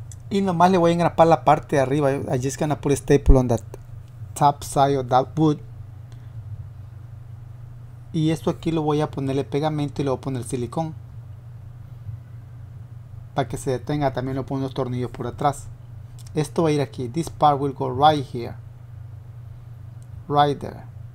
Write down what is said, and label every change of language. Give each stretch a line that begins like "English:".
Spanish: Y nomás le voy a engrapar la parte de arriba.
English: I'm just gonna put a staple on that top side of that wood.
Spanish: Y esto aquí lo voy a ponerle pegamento y le voy a poner silicón. Para que se detenga, también le voy a poner los tornillos por atrás. Esto va a ir aquí.
English: This part will go right here. Right there.